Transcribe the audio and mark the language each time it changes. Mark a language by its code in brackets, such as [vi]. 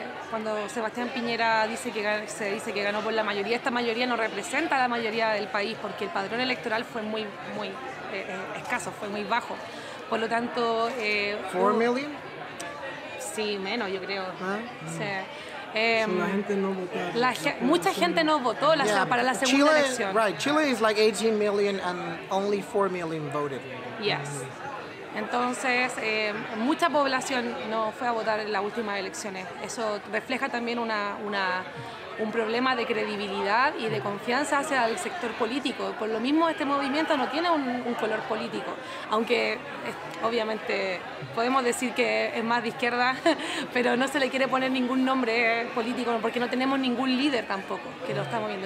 [es] Cuando Sebastián Piñera dice que ganó por la mayoría, esta mayoría no representa a la mayoría del país porque el padrón electoral fue muy, muy escaso, fue muy bajo. Por lo tanto... [en] ¿4 million? [es] Sí, menos, yo creo. ¿Ah? Sí. Mucha gente no votó para la segunda elección. [en] Right, Chile is like 18 million and only 4 million voted. Yes. [es] Entonces, mucha población no fue a votar en las últimas elecciones. Eso refleja también un problema de credibilidad y de confianza hacia el sector político. Por lo mismo, este movimiento no tiene un color político. Aunque, obviamente, podemos decir que es más de izquierda, pero no se le quiere poner ningún nombre político porque no tenemos ningún líder tampoco que lo está moviendo.